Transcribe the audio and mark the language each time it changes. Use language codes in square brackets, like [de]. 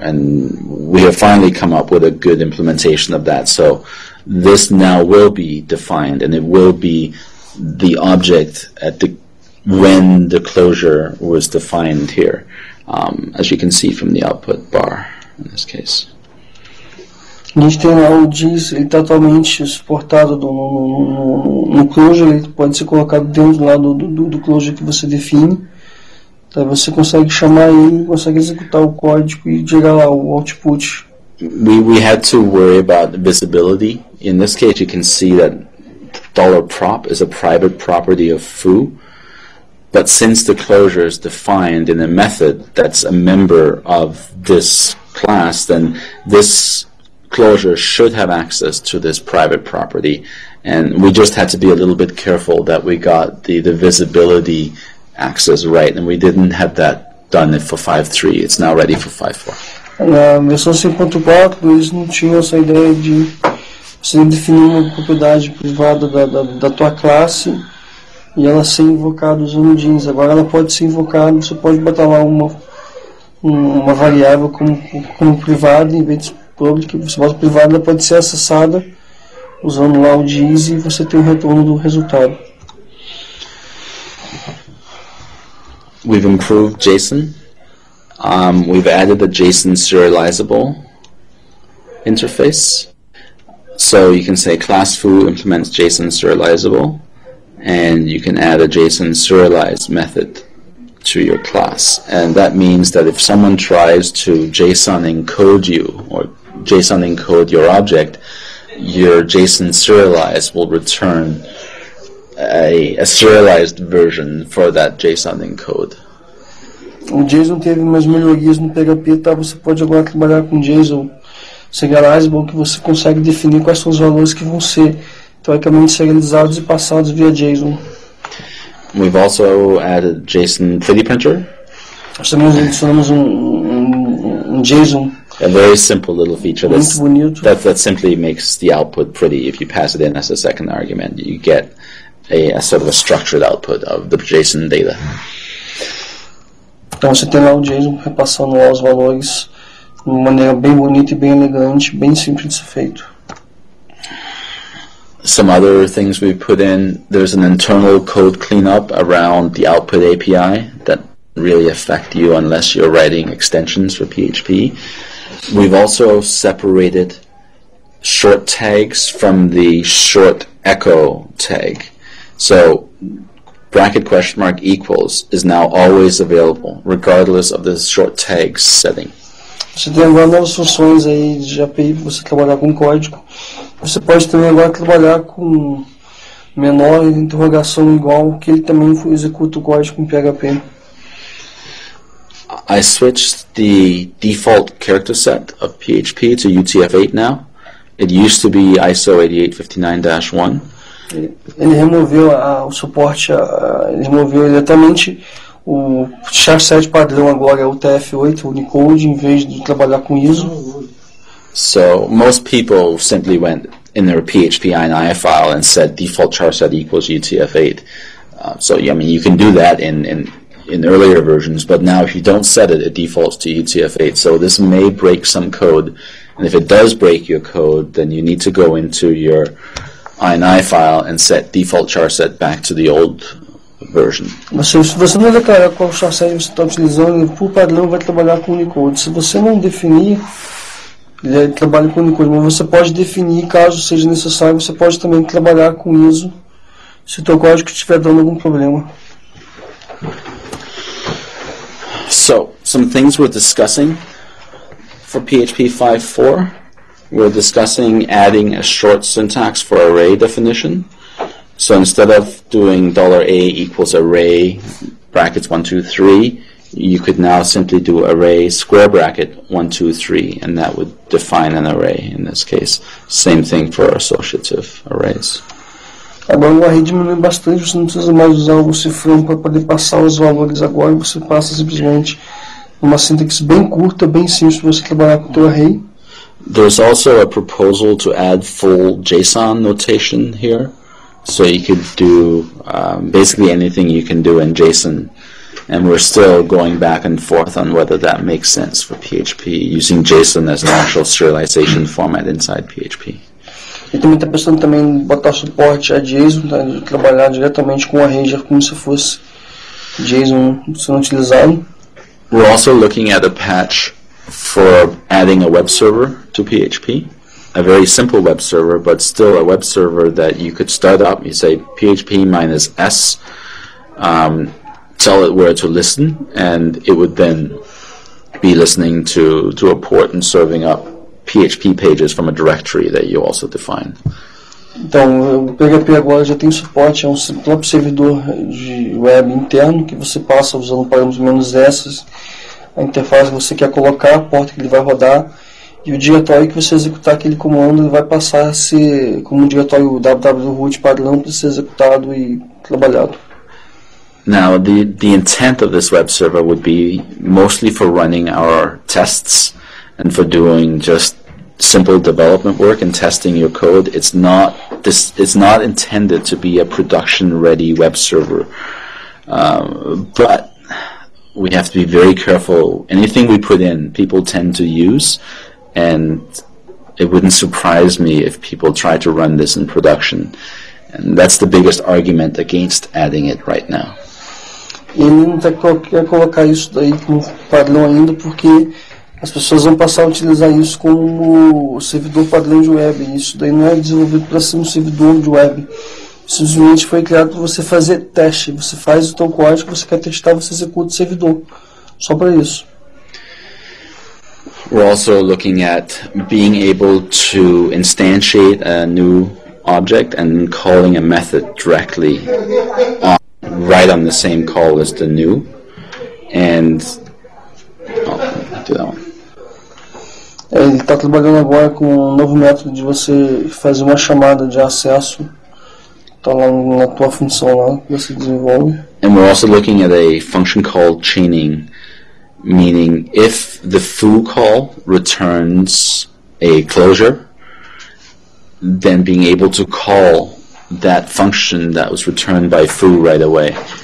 [en] And we have finally come up with a good implementation of that. So this now will be defined, and it will be the object at the when the closure was defined here, as you can see from the output bar in this case. [pt] A gente tem lá o diz, ele está atualmente suportado no closure, ele pode ser colocado dentro lá do closure que você define. Então você consegue chamar ele, consegue executar o código e gerar lá o output. [en] We had to worry about visibility. In this case, you can see that $prop is a private property of foo. But since the closure is defined in a method that's a member of this class, then this closure should have access to this private property, and we just had to be a little bit careful that we got the visibility access right, and we didn't have that done for 5.3. It's now ready for 5.4. [pt] Na versão 5.4, eles não tinham essa ideia de você definir uma propriedade privada da tua classe e ela ser invocada usando jeans. Agora ela pode ser invocada, você pode botar lá uma uma variável como privada, em vez de public, você bota privada, ela pode ser acessada usando lá o JIS e você tem o retorno do resultado. [en] We've improved JSON. We've added the JSON serializable interface. So you can say class foo implements JSON serializable, and you can add a JSON serialize method to your class. And that means that if someone tries to JSON encode you or JSON encode your object, your JSON serialize will return a serialized version for that JSON encode. [pt] O JSON teve umas melhorias no PHP, tá? Você pode agora trabalhar com JSON serializable, que você consegue definir quais são os valores que vão ser teoricamente serializados e passados via JSON. [en] We've also added JSON 3D printer. [pt] Nós também adicionamos um JSON. [en] A very simple little feature [pt] muito bonito. [en] That simply makes the output pretty. If you pass it in as a second argument, you get a sort of a structured output of the JSON data. [pt] Então você tem lá o JSON repassando lá os valores de uma maneira bem bonita e bem elegante, bem simples de ser feito. [en] Some other things we put in, there's an internal code cleanup around the output API that really affect you unless you're writing extensions for PHP. We've also separated short tags from the short echo tag. So bracket question mark equals is now always available, regardless of the short tag setting. [pt] Você tem agora novas funções aí de API para você trabalhar com código. Você pode também agora trabalhar com menor interrogação igual, que ele também executa o código em PHP. [en] I switched the default character set of PHP to UTF-8 now. It used to be ISO 8859-1. [pt] Ele removeu o suporte, ele removeu diretamente o chassi padrão, agora é o UTF-8, Unicode, em vez de trabalhar com ISO. [en] So, most people simply went in their PHP INI file and said default chassi equals UTF-8. So, I mean, you can do that in earlier versions, but now if you don't set it, it defaults to UTF-8. So this may break some code, and if it does break your code, then you need to go into your INI file and set default charset back to the old version. [pt] Se você não declarar qual charset você está utilizando, ele por padrão vai trabalhar com Unicode. Se você não definir, ele trabalha com Unicode, mas você pode definir caso seja necessário, você pode também trabalhar com ISO se o teu código estiver dando algum problema. [en] So, some things we're discussing for PHP 5.4. We're discussing adding a short syntax for array definition. So instead of doing $a equals array brackets 1, 2, 3, you could now simply do array square bracket 1, 2, 3, and that would define an array in this case. Same thing for associative arrays. [pt] Agora o array diminui bastante, você não precisa mais usar o cifrão para poder passar os valores agora, você passa simplesmente uma syntax bem curta, bem simples para você trabalhar com o teu array. [en] There's also a proposal to add full JSON notation here, so you could do basically anything you can do in JSON, and we're still going back and forth on whether that makes sense for PHP, using JSON as an actual serialization format inside PHP. [pt] E também está pensando também em botar suporte a JSON, tá? Trabalhar diretamente com o array como se fosse JSON sendo utilizado. [en] We're also looking at a patch for adding a web server to PHP. A very simple web server, but still a web server that you could start up. You say PHP minus S, tell it where to listen, and it would then be listening to a port and serving up PHP pages from a directory that you also define. [pt] Então, o PHP agora já tem suporte a um próprio servidor de web interno que você passa usando parâmetros menos essas, a interface que você quer colocar, a porta que ele vai rodar, e o diretório que você executar aquele comando, ele vai passar a ser como um diretório www.root padrão para ser executado e trabalhado. [en] Now, the intent of this web server would be mostly for running our tests and for doing just simple development work and testing your code. It's not intended to be a production-ready web server. But we have to be very careful. Anything we put in, people tend to use, and it wouldn't surprise me if people try to run this in production. And that's the biggest argument against adding it right now. [pt] Ele não quer colocar isso daí como padrão ainda, porque as pessoas vão passar a utilizar isso como servidor padrão de web. Isso daí não é desenvolvido para ser um servidor de web. Simplesmente foi criado para você fazer teste. Você faz o teu código, você quer testar, você executa o servidor. Só para isso. [en] We're also looking at being able to instantiate a new object and calling a method directly on, right on the same call as the new. And [pt] ele está trabalhando agora com um novo método de você fazer uma chamada de acesso. Está lá na tua função lá que você desenvolve. [en] And we're also looking at a function called chaining, meaning if the foo call returns a closure, then being able to call that function that was returned by foo right away.